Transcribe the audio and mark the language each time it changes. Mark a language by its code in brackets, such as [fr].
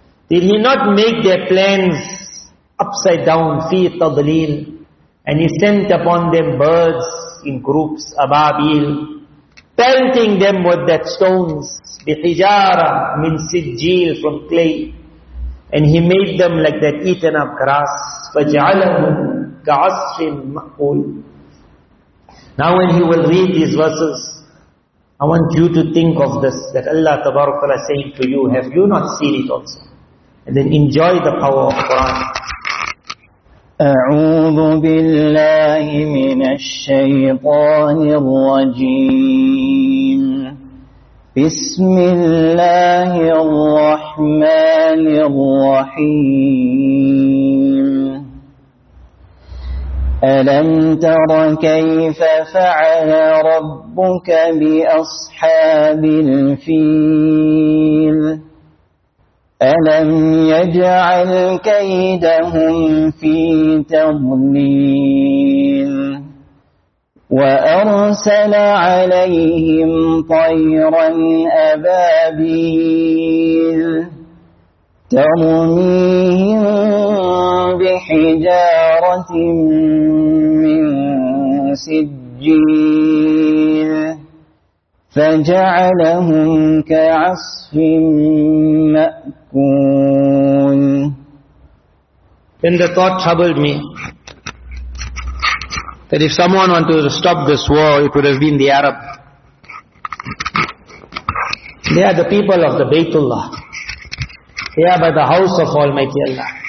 [en] Did he not make their plans upside down, fi tadlil, and he sent upon them birds in groups, ababil, pelting them with that stones, bihijara, min sijil, from clay, and he made them like that eaten up grass, faj'alahum ka'asfin ma'kul. Now when he will read these verses, I want you to think of this, that Allah Tabarakallah saying to you, have you not seen it also? And then enjoy the power of Quran. [ar] أعوذ بالله من الشيطان الرجيم بسم الله الرحمن الرحيم ألم تر كيف فعل ربك بأصحاب الفيل ألم يجعل كيدهم في تضليل وأرسل عليهم طيرا أبابيل ترميهم بحجارة من سجيل فجعلهم كعصف مأكول. [en] Then the thought troubled me that if someone wanted to stop this war, it would have been the Arab. They are the people of the Baytullah. They are by the house of Almighty Allah.